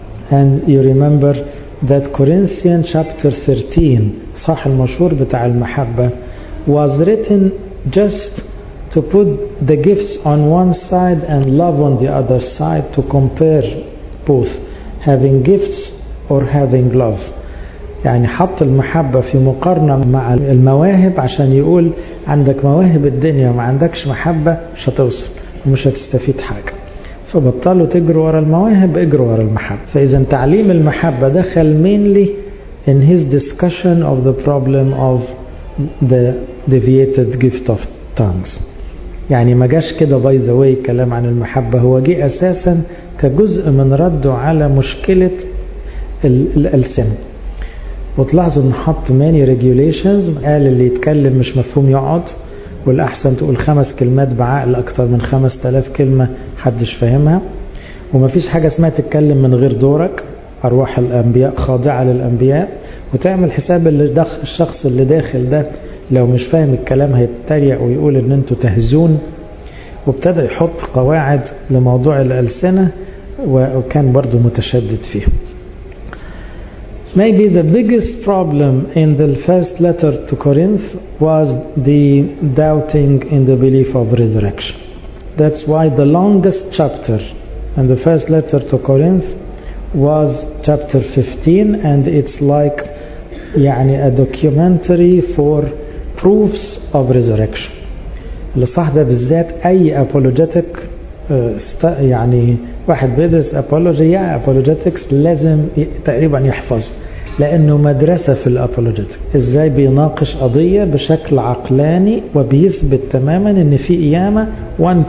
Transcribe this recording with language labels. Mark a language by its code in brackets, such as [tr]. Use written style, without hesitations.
[en] And you remember that Corinthians chapter 13, [ar] صح المشهور بتاع المحبة, [en] was written just to put the gifts on one side and love on the other side, to compare both having gifts or having love. [ar] يعني حط المحبة في مقارنة مع المواهب عشان يقول عندك مواهب الدنيا وما عندكش محبة مش هتوصل ومش هتستفيد حاجة. فبطلوا تجروا وراء المواهب، اجروا وراء المحبة. فإذا تعليم المحبة دخل [en] mainly in his discussion of the problem of the deviated gift of tongues. [ar] يعني ما جاش كده [en] by the way [ar] كلام عن المحبة، هو جه أساسا كجزء من رده على مشكلة الألسنة. وتلاحظوا أنه حط [en] many regulations، [ar] قال اللي يتكلم مش مفهوم يقعد، والأحسن تقول خمس كلمات بعقل أكتر من 5000 كلمة حدش فاهمها، وما فيش حاجة اسمها تتكلم من غير دورك، أرواح الأنبياء خاضعة للأنبياء، وتعمل حساب اللي داخل الشخص اللي داخل ده لو مش فاهم الكلام هيتريق ويقول ان انتوا تهزون. وابتدى يحط قواعد لموضوع الألسنة، وكان برضو متشدد فيه. [en] Maybe the biggest problem in the first letter to Corinth was the doubting in the belief of resurrection. That's why the longest chapter in the first letter to Corinth was chapter 15, and it's like يعني a documentary for proofs of resurrection. [ar] لصح ده بالذات أي apologetic يعني واحد بيدرس apology يعني apologetics لازم تقريبا يحفظ، لأنه مدرسة في الأبولوجيتك، إزاي بيناقش قضية بشكل عقلاني وبيثبت تماما إن في قيامة 1-2-3.